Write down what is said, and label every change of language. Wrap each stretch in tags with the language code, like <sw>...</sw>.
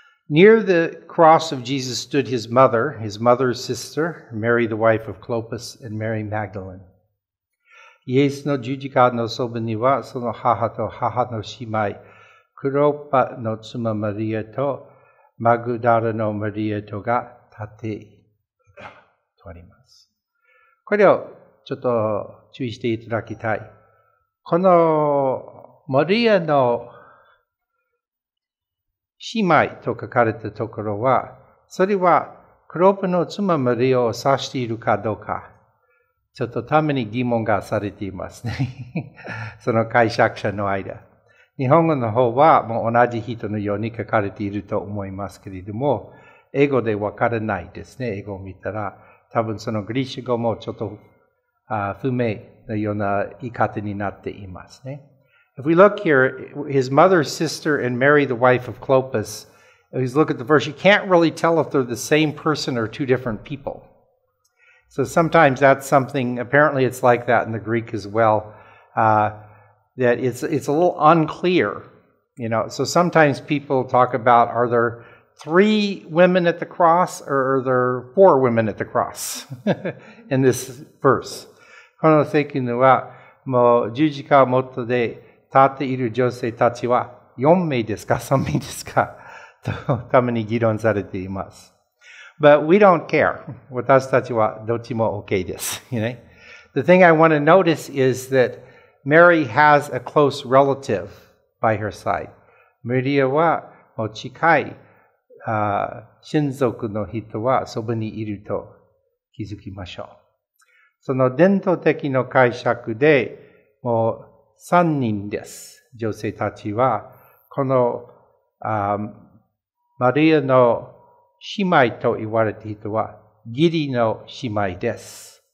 <en>Near the cross of Jesus stood his mother, his mother's sister, Mary the wife of Clopas and Mary Magdalene.</en> <ja>イエスの十字架のそばにはその母と母の姉妹、クロパの妻マリアとマグダラのマリアとが立っていたとあります。これをちょっと注意していただきたい。このマリアの姉妹と書かれたところは、それはクロパの妻マリアを指しているかどうか、ちょっとために疑問がされていますね。その解釈者の間。日本語の方はもう同じ人のように書かれていると思いますけれども、英語でわからないですね。英語を見たら、多分そのギリシャ語もちょっと不明のような言い方になっていますね。</ja> <en>If we look here, his mother's sister and Mary, the wife of Clopas, if you look at the verse, you can't really tell if they're the same person or two different people. So sometimes that's something, apparently it's like that in the Greek as well, that it's a little unclear, you know. So sometimes people talk about, are there three women at the cross or are there four women at the cross in this verse?</en> <ja>この世紀にはもう十字架元で立っている女性たちは四名ですか三名ですかとたまに議論されています。</ja> <en>But we don't care.</en> <ja>私たちはどっちも OK です。</ja> <en>You know? The thing I want to notice is that Mary has a close relative by her side.</en> <ja>マリアはもう近い親族の人はそばにいると気づきましょう。その伝統的な解釈でもう三人です。女性たちはこのマリアの姉妹と言われた人は、義理の姉妹です。</ja>